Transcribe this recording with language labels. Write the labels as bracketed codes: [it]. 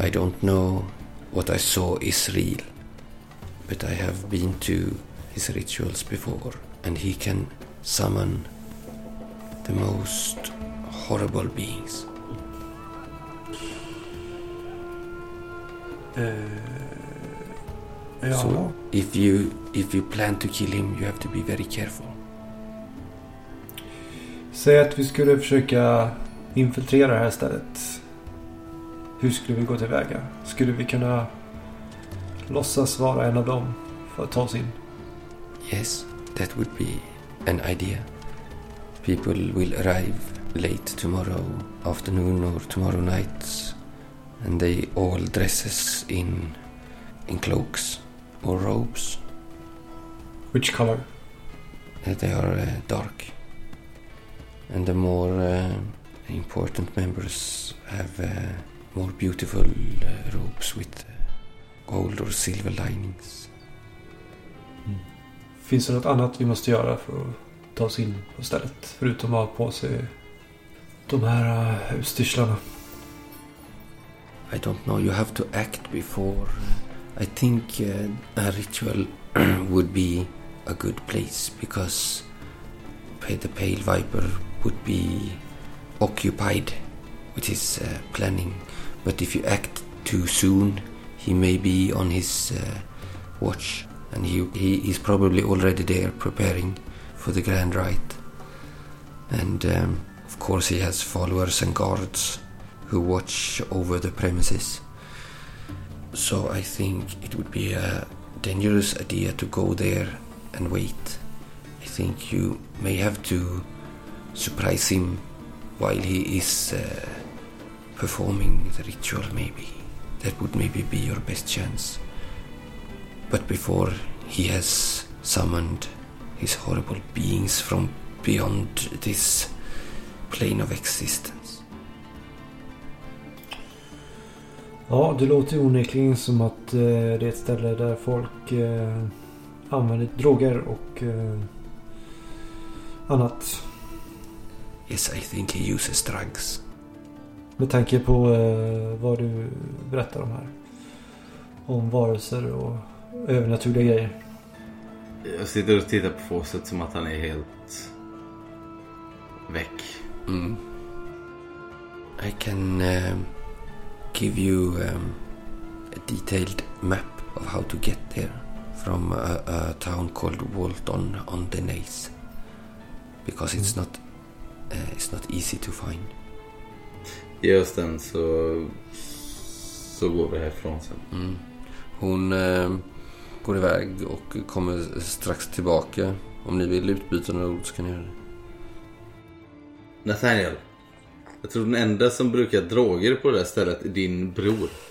[en] I don't know what I saw is real, but I have been to his rituals before, and he can summon the most horrible beings. [sv] Ja. [en] So if you plan to kill him, you have to be very careful. [sv] Säg att vi skulle försöka infiltrera det här stället. Hur skulle vi gå tillväga? Skulle vi kunna låtsas vara en av dem för att ta oss in? [en] Yes, that would be an idea. People will arrive late tomorrow afternoon or tomorrow night, and they all dresses in cloaks. Or robes. Which color? They are dark. And the more important members have more beautiful robes with gold or silver linings. Mm. [sv] Finns det något annat vi måste göra för att ta oss in på stället? Förutom att ha på sig de här utstyrslarna. [en] I don't know. You have to act before... I think a ritual would be a good place because the Pale Viper would be occupied with his planning. But if you act too soon, he may be on his watch, and he is probably already there preparing for the Grand Rite. And of course he has followers and guards who watch over the premises. So I think it would be a dangerous idea to go there and wait. I think you may have to surprise him while he is performing the ritual, maybe. That would maybe be your best chance. But before he has summoned his horrible beings from beyond this plane of existence. [sv] Ja, det låter onekligen som att det är ett ställe där folk använder droger och annat. [en] Yes, I think he uses drugs. [sv] Med tanke på vad du berättar om här. Om varelser och övernaturliga grejer. Jag sitter och tittar på Fawcett som att han är helt väck. [en] Mm. I can... give you a detailed map of how to get there from a town called Walton on the Naze, because it's not easy to find. [sv] Ge oss den så går vi härifrån sen. Mm. Hon går iväg och kommer strax tillbaka. Om ni vill utbyta några ord så kan ni göra det. Nathaniel, jag tror den enda som brukar droger på det här stället är din bror.